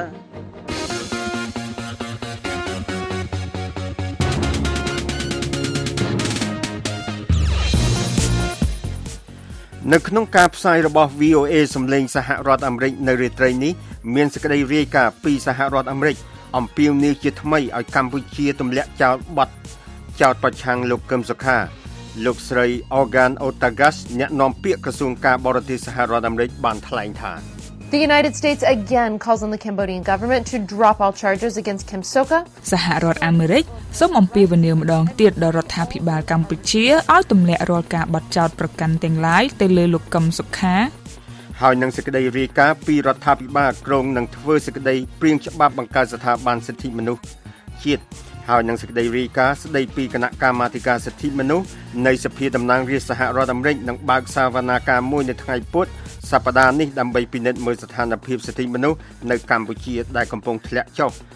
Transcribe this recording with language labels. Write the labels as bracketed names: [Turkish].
[Khmer] នៅក្នុងការផ្សាយរបស់ VOA សំឡេងសហរដ្ឋអាមេរិកនៅរាត្រីនេះមានសេចក្តីរាយការណ៍ពីសហរដ្ឋអាមេរិកអំពីនេះជាថ្មីឲ្យកម្ពុជាទម្លាក់ចោលបាត់ចោតប្រឆាំងលោកកឹមសុខាលោកស្រី Organ Otagas អ្នកនាំពាក្យក្រសួងការបរទេសសហរដ្ឋអាមេរិកបានថ្លែងថា [English] The United States again calls on the Cambodian government to drop all charges against Kem Sokha [Khmer] សហរដ្ឋអាមេរិកសូមអំពាវនាវម្ដងទៀតដល់រដ្ឋាភិបាលកម្ពុជាឲ្យទម្លាក់រាល់ការបាត់ចោតប្រកាន់ទាំងឡាយទៅលើលោកកឹមសុខា ហើយនឹងសេចក្តីរាយការណ៍ពីរដ្ឋាភិបាលក្រុងនឹងធ្វើសេចក្តីព្រៀងច្បាប់បង្កើតស្ថាប័នសិទ្ធិមនុស្សជាតិហើយនឹងសេចក្តីរាយការណ៍ស្តីពីគណៈកម្មាធិការសិទ្ធិមនុស្សនៃសភាតំណាងរាស្ត្រសហរដ្ឋអាមេរិកនឹងបើកសវនកម្មមួយនៅថ្ងៃពុធសប្តាហ៍នេះដើម្បីពិនិត្យមើលស្ថានភាពសិទ្ធិមនុស្សនៅកម្ពុជាដែលកំពុងធ្លាក់ចុះ